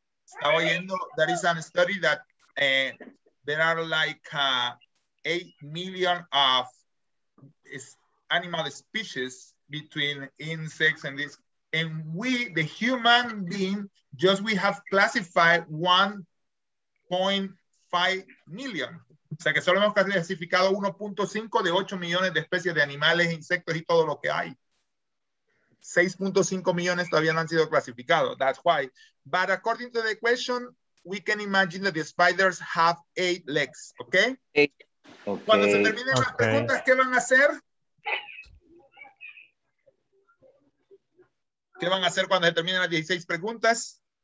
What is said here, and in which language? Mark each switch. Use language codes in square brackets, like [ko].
[es] Estaba oyendo, [en] there is a study that there are like 8 million of animal species between insects and this. And we, the human being, just we have classified 1.5 million. [es] O sea que solo hemos clasificado 1.5 de 8 millones de especies de animales, insectos y todo lo que hay. 6.5 millones todavía no han sido clasificados. [en] That's why. But according to the question, we can imagine that the spiders have 8 legs. Okay? Okay. [es] Cuando se terminen las preguntas, ¿qué van a hacer? ¿Qué van a hacer cuando se terminen las 16 preguntas?